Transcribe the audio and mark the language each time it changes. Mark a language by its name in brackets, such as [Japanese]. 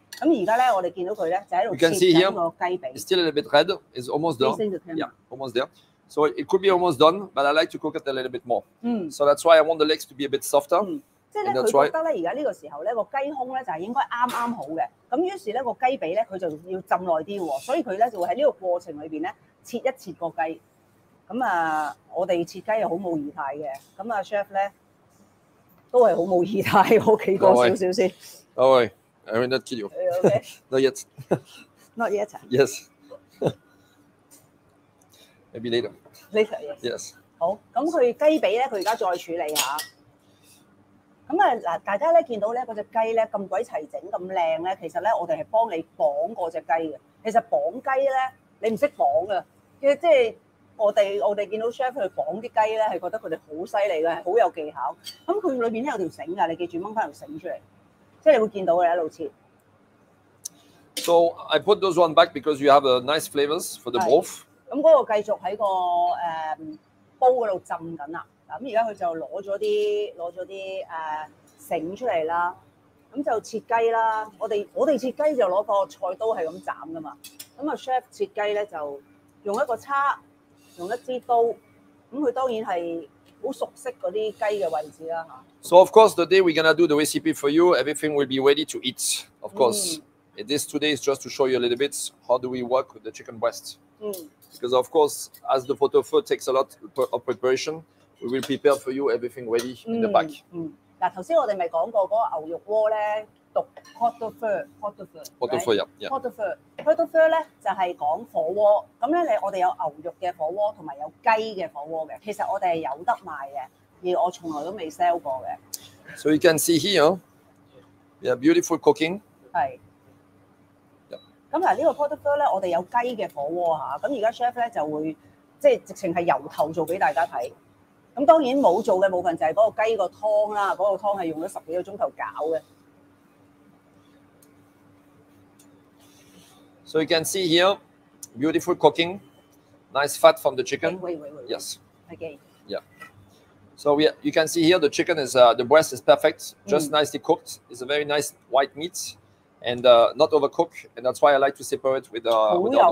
[Cantonese] 咁而家咧，我哋見到佢咧就喺度切緊個雞髀。 [English] You can see here, it's still a little bit red. It's almost done. Yeah, almost there. So it could be almost done, but I like to cook it a little bit more. So that's why I want the legs to be a bit softer. [Cantonese] 即係咧，佢覺得咧，而家呢個時候咧，個雞胸咧就係應該啱啱好嘅。咁於是咧，個雞髀咧，佢就要浸耐啲喎。所以佢咧就會喺呢個過程裏邊咧切一切個雞。咁啊，我哋切雞又好冇儀態嘅。咁啊 ，chef 咧都係好冇儀態，我企過少少先。 [English] No way, I will not kill you. Not yet. Not yet. Yes. Maybe later. Later, yes. Yes. [Cantonese] 好，咁佢雞髀咧，佢而家再處理下。咁啊嗱，大家咧見到咧嗰只雞咧咁鬼齊整咁靚咧，其實咧我哋係幫你綁嗰只雞嘅。其實綁雞咧，你唔識綁嘅，即係我哋見到 chef 去綁啲雞咧，係覺得佢哋好犀利嘅，好有技巧。咁佢裏邊咧有條繩㗎，你記住掹翻條繩出嚟，即係你會見到嘅一路切。 [English] So I put those one back because you have a nice flavors for the both. [Cantonese] 咁嗰個繼續喺個煲嗰度浸緊啦。咁而家佢就攞咗啲繩出嚟啦。咁就切雞啦。我哋切雞就攞個菜刀係咁斬噶嘛。咁啊 ，chef 切雞咧就用一個叉，用一支刀。咁佢當然係好熟悉嗰啲雞嘅位置啦嚇。 [English] So of course the day we're gonna do the recipe for you, everything will be ready to eat. Of course,this today is just to show you a little bit how do we work with the chicken breast. Because of course, as the photo food takes a lot of preparation, we will prepare for you everything ready in the back. [Cantonese] 嗱，頭先我哋咪講過嗰個牛肉鍋咧，讀 hot to fur 咧就係講火鍋。咁咧，我哋有牛肉嘅火鍋同埋有雞嘅火鍋嘅。其實我哋係有得賣嘅，而我從來都未 sell 過嘅。 [English] So you can see here, we have beautiful cooking. [Cantonese] 係。咁嗱，呢個 pot fur 咧，我哋有雞嘅火鍋嚇。咁而家 chef 咧就會即係直情係由頭做俾大家睇。咁當然冇做嘅部分就係嗰個雞個湯啦。嗰個湯係用咗十幾個鐘頭搞嘅。 [English] So you can see here, beautiful cooking, nice fat from the chicken. Wait. Yes. Again. Yeah. So you can see here the chicken is the breast is perfect, just nicely cooked. It's a very nice white meat. And not overcooked, and that's why I like to separate with the other one.